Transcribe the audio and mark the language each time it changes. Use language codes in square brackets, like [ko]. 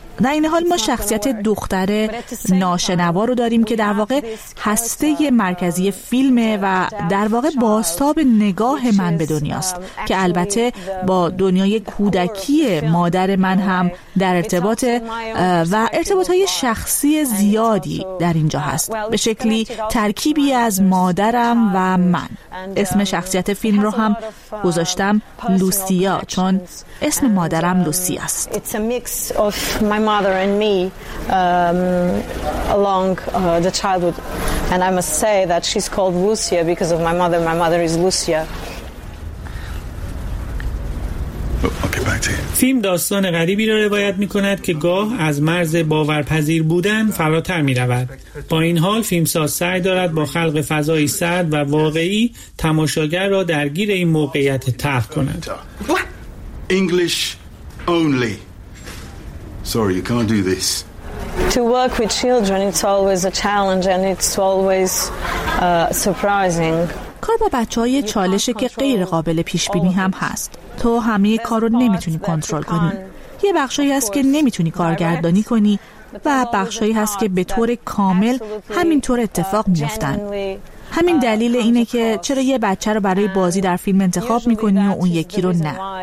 [fa] در این حال ما شخصیت دختر ناشنوا رو داریم که در واقع هسته مرکزی فیلمه و در واقع بازتاب نگاه من به دنیاست که البته با دنیای کودکی مادر من هم در ارتباط و ارتباطهای شخصی زیادی در اینجا هست، به شکلی ترکیبی از مادرم و من. اسم شخصیت فیلم رو هم گذاشتم لوسیا چون اسم مادرم لوسیا است. [en] Mother and me along the childhood, and I must say that she's called Lucia because of my mother. My mother is Lucia. [fa] فیلم داستان غریبی را روایت می کند که گاه از مرز باورپذیر بودن فراتر می رود. با این حال فیلمساز سعی دارد با خلق فضایی سرد و واقعی تماشاگر را درگیر این موقعیت تلخ کند. [en] English only. Sorry, you can't do this. To work with children, it's always a challenge and it's always surprising. [fa] کار با بچه‌ها یه چالشه که غیر قابل پیش‌بینی هم هست. تو همه کار رو نمیتونی کنترل کنی. یه بخشی هست که نمیتونی کارگردانی کنی و بخشی هست که به طور کامل همینطور اتفاق میفتن. همین دلیل اینه که چرا یه بچه رو برای بازی در فیلم انتخاب میکنی و اون یکی رو نه.